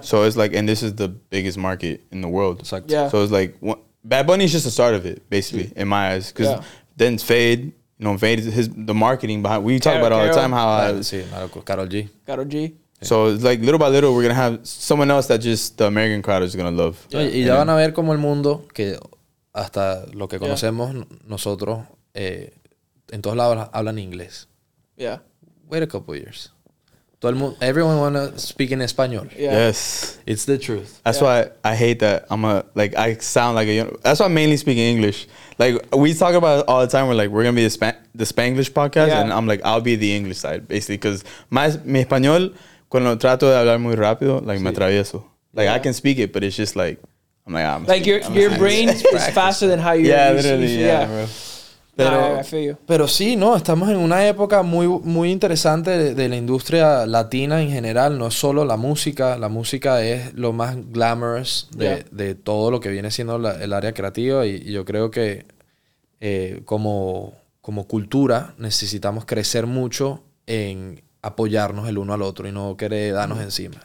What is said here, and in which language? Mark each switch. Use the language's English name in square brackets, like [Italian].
[English] So it's like, and this is the biggest market in the world. It's like, yeah. So it's like, Bad Bunny is just the start of it, basically, in my eyes, because then Fade, you know, Fade is the marketing behind. We talk about it all the time how Karol G. So like little by little we're gonna have someone else that just the American crowd is gonna love. [Spanish] Yeah. Y ya van a ver como el mundo que hasta lo que conocemos nosotros en todos lados hablan inglés. [English] Yeah. Wait a couple of years. [Spanish] Todo el mundo, [English] everyone wanna speak in español. Yeah. Yes. It's the truth. That's why I hate that I sound like a. That's why I'm mainly speaking English. Like we talk about it all the time. We're like we're gonna be the Spanglish podcast, and I'm like I'll be the English side basically because [Spanish] mi español. Cuando trato de hablar muy rápido, like me atravieso. [English] Like I can speak it, but it's just like I'm like your brain is faster than how you Yeah, use, literally, yeah, yeah. Bro. Pero, I feel you. [Spanish] Pero sí, no, estamos en una época muy muy interesante de la industria latina en general. No es solo la música es lo más glamorous de todo lo que viene siendo el área creativa y yo creo que como cultura necesitamos crecer mucho en apoyarnos el uno al otro y no querer darnos encima.